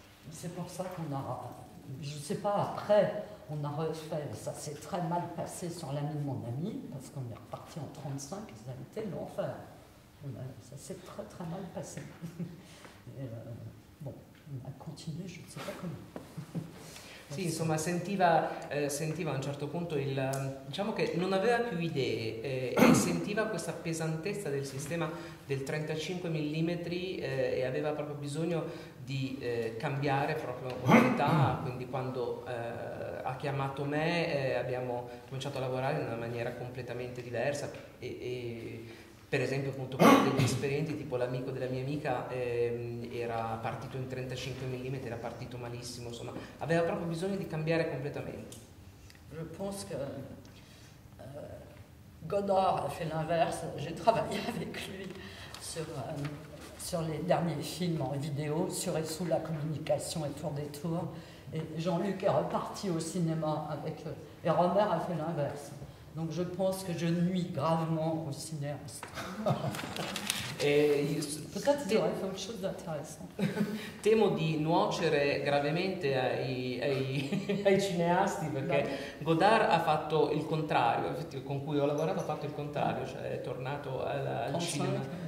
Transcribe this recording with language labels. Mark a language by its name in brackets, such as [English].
[French] C'est pour ça qu'on a, je ne sais pas, après, on a refait, ça s'est très mal passé sur l'ami de mon ami, parce qu'on est reparti en 35, ça a été l'enfer. Ça s'est très très mal passé. Bon, on a continué, je ne sais pas comment. [Italian] Sì, insomma, sentiva a un certo punto il, diciamo che non aveva più idee e sentiva questa pesantezza del sistema del 35 mm e aveva proprio bisogno di cambiare proprio qualità. Quindi quando ha chiamato me abbiamo cominciato a lavorare in una maniera completamente diversa e per esempio appunto con degli esperienti tipo l'amico della mia amica era partito in 35 mm, era partito malissimo, insomma aveva proprio bisogno di cambiare completamente. [French] Je pense que Godard a fait l'inverse, j'ai travaillé avec lui sur les derniers films en vidéo, sur et sous la communication et Tour des Tours, et Jean-Luc est reparti au cinéma avec eux, et Romère a fait l'inverse. Donc je pense que je nuis gravement au cinéaste. Peut-être qu'il aurait fait autre chose d'intéressant. [Italian] Temo di nuocere gravemente ai cineasti, perché Godard ha fatto il contrario, con cui ho lavorato ha fatto il contrario, cioè è tornato al cinema.